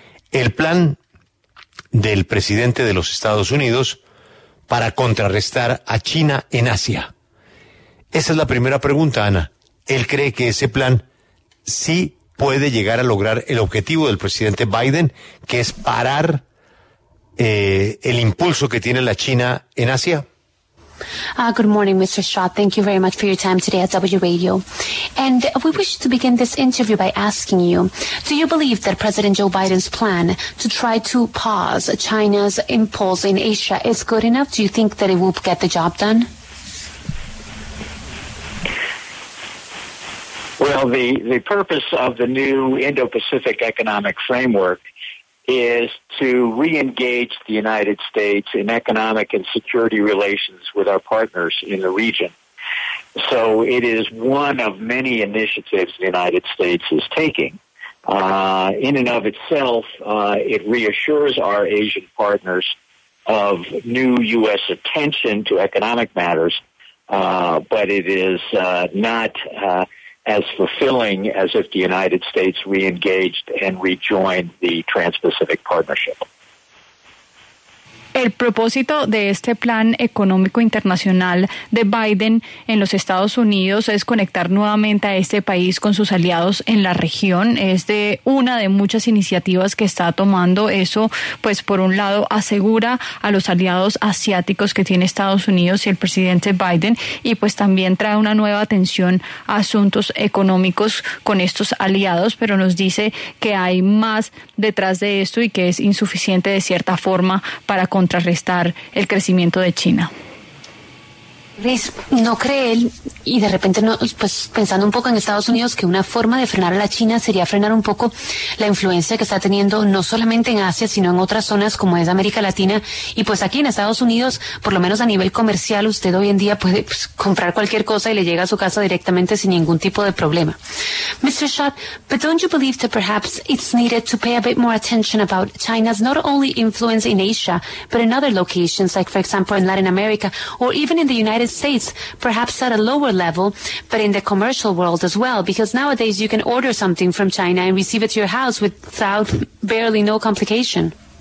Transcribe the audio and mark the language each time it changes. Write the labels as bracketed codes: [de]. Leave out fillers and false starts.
[es] El plan del presidente de los Estados Unidos para contrarrestar a China en Asia. Esa es la primera pregunta, Ana. ¿Él cree que ese plan sí puede llegar a lograr el objetivo del presidente Biden, que es parar el impulso que tiene la China en Asia? [en] Good morning, Mr. Scott. Thank you very much for your time today at W Radio. And we wish to begin this interview by asking you, do you believe that President Joe Biden's plan to try to pause China's impulse in Asia is good enough? Do you think that it will get the job done? Well, the purpose of the new Indo-Pacific Economic Framework is to re-engage the United States in economic and security relations with our partners in the region. So it is one of many initiatives the United States is taking. In and of itself, it reassures our Asian partners of new U.S. attention to economic matters, but it is not as fulfilling as if the United States re-engaged and rejoined the Trans-Pacific Partnership. [es] El propósito de este plan económico internacional de Biden en los Estados Unidos es conectar nuevamente a este país con sus aliados en la región. Es de una de muchas iniciativas que está tomando. Eso, pues, por un lado, asegura a los aliados asiáticos que tiene Estados Unidos y el presidente Biden, y pues también trae una nueva atención a asuntos económicos con estos aliados, pero nos dice que hay más detrás de esto y que es insuficiente de cierta forma para contrarrestar el crecimiento de China. Luis, ¿no cree él, y de repente no, pues pensando un poco en Estados Unidos, que una forma de frenar a la China sería frenar un poco la influencia que está teniendo no solamente en Asia, sino en otras zonas como es América Latina? Y pues aquí en Estados Unidos, por lo menos a nivel comercial, usted hoy en día puede, pues, comprar cualquier cosa y le llega a su casa directamente sin ningún tipo de problema. [en] Mr. Scott, but don't you believe that perhaps it's needed to pay a bit more attention about China's not only influence in Asia, but in other locations, like for example in Latin America, or even in the United States, perhaps at a lower level, but in the commercial world as well, because nowadays you can order something from China and receive it to your house without barely no complication.